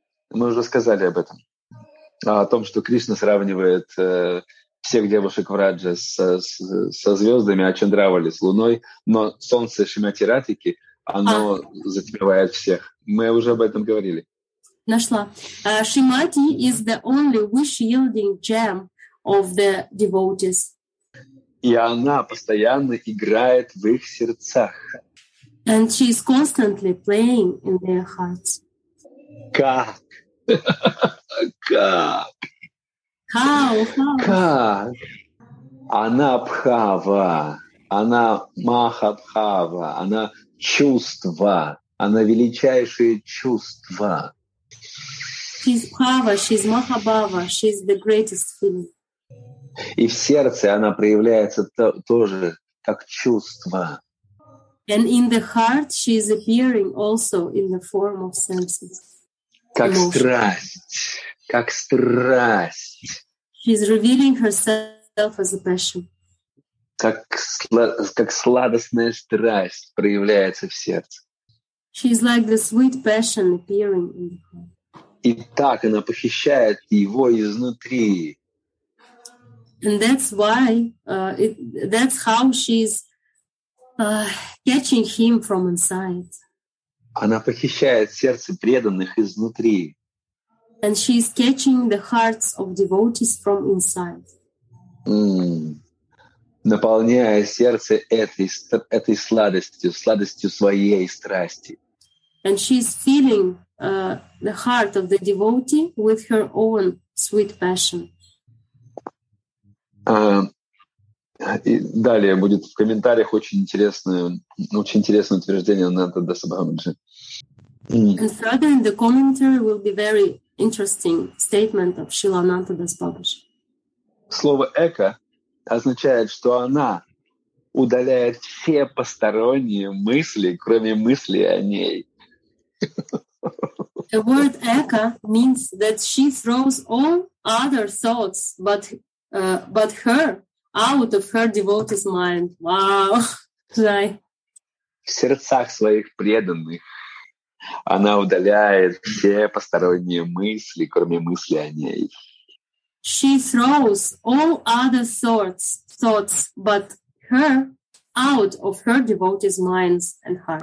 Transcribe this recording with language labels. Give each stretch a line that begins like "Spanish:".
Russian: Мы уже сказали об этом. О том, что Кришна сравнивает всех девушек в Радже со звездами, а Чандравали с Луной, но Солнце Шримати Радхики, оно затмевает всех. Мы уже об этом говорили. Нашла.
English: Шримати is the only wish-yielding gem of the devotees.
Russian: И она постоянно играет в их сердцах.
English: And she is constantly playing in their hearts.
Russian: Как? Как?
English: How?
Russian: Она бхава, она махабхава, она чувства, она величайшие чувства.
English: She's bhava, she's mahabhava, she's the greatest feeling.
Russian: И в сердце она проявляется тоже как чувство.
English: And in the heart she is appearing also in the form of senses.
Russian: Как emotion. Страсть, как страсть.
English: She's revealing herself as a passion.
Russian: Как сладостная страсть проявляется в сердце.
English: She's like the sweet passion appearing in the heart.
Russian: И так она похищает его изнутри.
English: And that's why, that's how she's catching him from inside.
Russian: Она похищает сердце преданных изнутри.
English: And she's catching the hearts of devotees from inside.
Russian: Наполняя сердце этой сладостью, сладостью своей страсти.
English: And she's filling the heart of the devotee with her own sweet passion.
Russian: И далее будет в комментариях очень интересное утверждение Ананта Даса Бабаджи.
English: And further in the commentary will be very interesting statement of Шрила Ананта Дас Бабаджи.
Russian: Слово «эко» означает, что она удаляет все посторонние мысли, кроме мысли о ней.
English: The word «эко» means that she throws all other thoughts, but her, out of her devotee's mind. Wow!
Russian: В сердцах своих преданных она удаляет все посторонние мысли, кроме мысли о ней.
English: She throws all other thoughts, but her, out of her devotee's minds and hearts.